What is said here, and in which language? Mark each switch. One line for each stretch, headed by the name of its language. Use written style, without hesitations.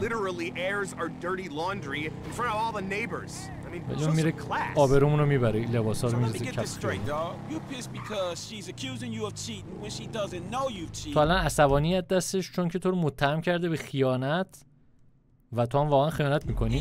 English: Literally airs our dirty laundry in front of all the neighbors. I mean, so class.
Persian: آبرومونو میبره، لباسا رو میذاره کفش.
English: You pissed because she's accusing you of cheating when she doesn't know you cheat.
Persian: حالا عصبانیت دستش چون که تو رو متهم کرده به خیانت و تو هم واقعا خیانت می‌کنی.